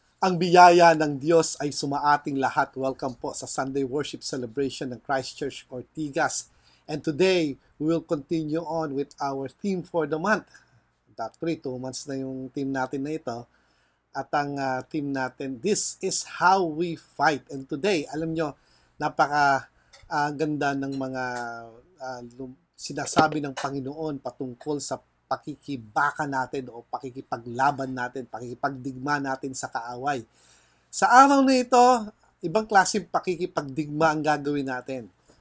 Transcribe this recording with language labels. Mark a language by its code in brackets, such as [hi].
[tl] Ang biyaya ng Diyos ay sumaating lahat. Welcome po sa Sunday Worship Celebration ng Christ Church Ortigas. [en] And today, we will continue on with our theme for the month. [tl] Actually, 2 months na yung theme natin na ito. At ang theme natin, [en] this is how we fight. [tl] And today, alam nyo, napaka-ganda ng mga sinasabi ng Panginoon patungkol sa pakikibaka natin o pakikipaglaban natin, pakikipagdigma natin sa kaaway. Sa araw na ito, ibang klaseng pakikipagdigma ang gagawin natin.